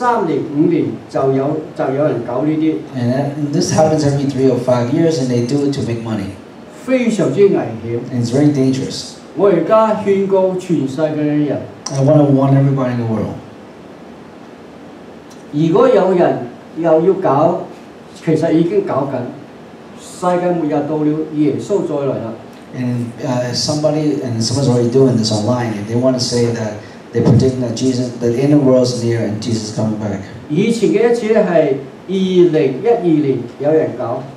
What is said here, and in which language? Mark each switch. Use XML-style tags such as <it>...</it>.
<yue>通常是三年五年就有人搞呢啲。</yue> <en>And this happens every 3 or 5 years, and they do it to make money.</en> <yue>非常之危險。</yue> <en>And it's very dangerous.</en> <yue>我而家勸告全世界嘅人。</yue> <en>I want to warn everybody in the world.</en> <yue>如果有人又要搞，其實已經搞緊。世界末日到了，耶穌再來啦。</yue> <en>And somebody and someone's already doing this online. They want to say that they predict that Jesus, the end of the world is near and Jesus is coming back.</en> <yue>以前嘅一次咧係2012年有人搞。</yue>